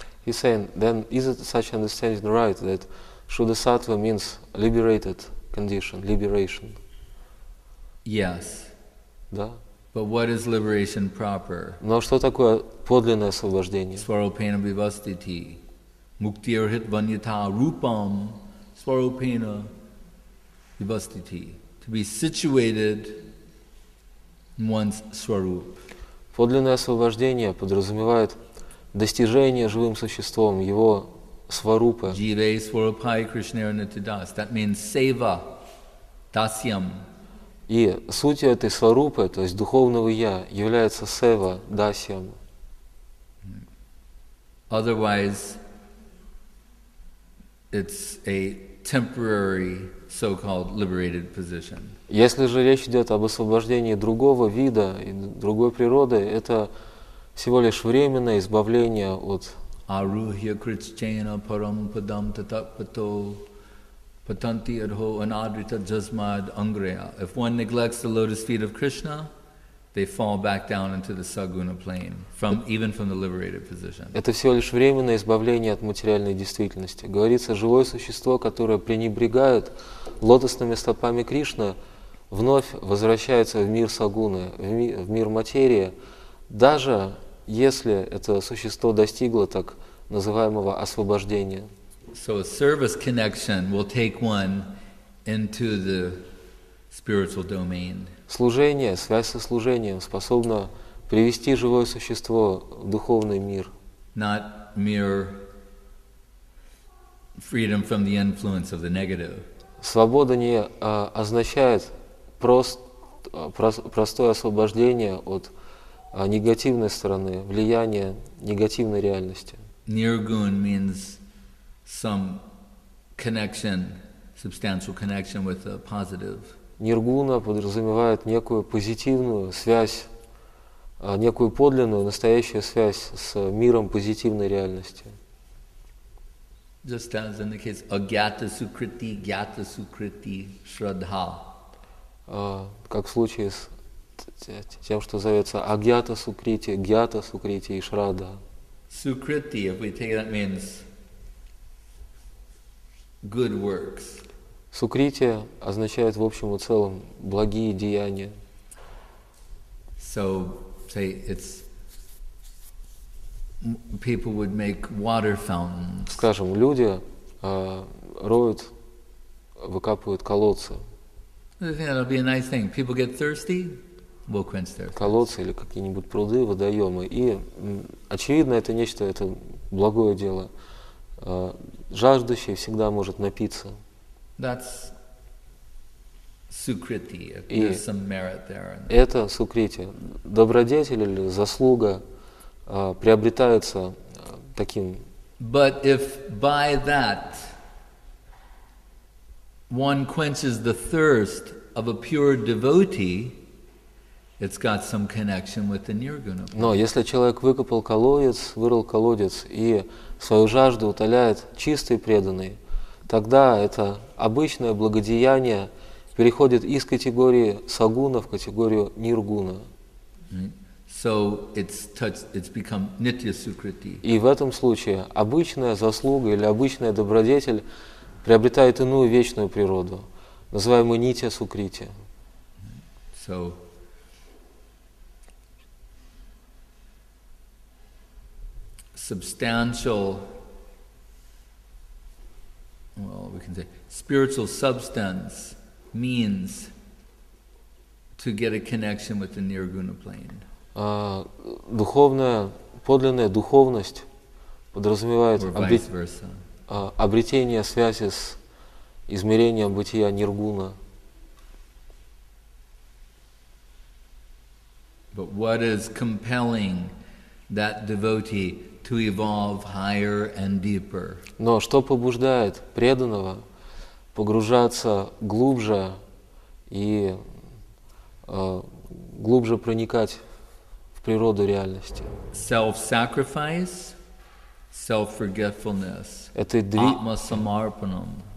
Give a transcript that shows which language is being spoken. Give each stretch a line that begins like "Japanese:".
English: He's saying, then is it such understanding right that Shuddhasattva means liberated condition, liberation? Yes.
Russian: Да.
English: But what is liberation proper?
Russian: Но что такое подлинное освобождение?
Sanskrit: Svaropena vivastiti. Muktirhit vanyata rupam svaropena vivastiti.
English: Be situated in one's swarup.
Russian: Подлинное освобождение подразумевает достижение живым существом его сварупа.
Bangla: Jive swarupai krishnera nityadas.
English: That means seva, dasyam.
Russian: И суть этой сварупы, то есть духовного я, является сева, дасьям.
English: Otherwise, it's a temporary so-called liberated position.
Russian: Если же речь идет об освобождении другого вида и другой природы, это всего лишь временное избавление от
Sanskrit: Aruhya Krichena Param Padam Tatakpato Patanti Adho Anadrita Jasmad Angreya.
English: If one neglects the lotus feet of Krishna, they fall back down into the saguna plane, from even from the liberated position.
Russian: Это всего лишь временное избавление от материальной действительности. Говорится, живое существо, которое пренебрегает лотосными стопами Кришны, вновь возвращается в мир сагуны, в мир материи, даже если это существо достигло так называемого освобождения.
English: So a service connection will take one into the spiritual domain.
Russian: Служение, связь со служением способна привести живое существо в духовный мир.
English: Not mere freedom from the influence of the negative.
Russian: Свобода не означает простое освобождение от негативной стороны, влияние негативной реальности.
English: Nirgun means some connection, substantial connection with the positive.
Russian: Nirguna подразумевает некую позитивную связь, некую подлинную, настоящую связь с миром позитивной реальности.
English: Just as in the case agyata sukriti, shraddha.
Russian: Как в случае с тем, что зовется агьята сукрити, гьята сукрити и шрадха.
English: Sukriti, if we take that means good works.
Russian: Сукрити означает в общем и целом благие деяния.
English: So, say it's people would make water fountains.
Russian: Скажем, люди роют, выкапывают колодцы.
English: That'll be a nice thing. People get thirsty, we'll quench their thirst.
Russian: Колодцы или какие-нибудь пруды, водоемы. И очевидно, это нечто, это благое дело. Жаждущий всегда может напиться.
English: That's sukriti. There's some merit there.
Russian: Это сукрити. Добродетель или заслуга приобретается таким.
English: But if by that one quenches the thirst of a pure devotee, it's got some connection with the nirguna.
Russian: Но если человек выкопал колодец, вырыл колодец и свою жажду утоляет чистый преданный, тогда это обычное благодеяние переходит из категории сагуна в категорию ниргуна.
English: So it's touched, it's become nitya sukriti.
Russian: И в этом случае обычная заслуга или обычная добродетель приобретает иную вечную природу, называемую нитья сукрити.
English: So substantial, well, we can say spiritual substance means to get a connection with the nirguna plane.
Russian: Духовная, подлинная духовность подразумевает обретение связи с измерением бытия ниргуна.
English: But what is compelling that devotee to evolve higher and deeper?
Russian: Но что побуждает преданного погружаться глубже и глубже проникать природу реальности.
English: Self-sacrifice, self-forgetfulness, atma-samarpanam.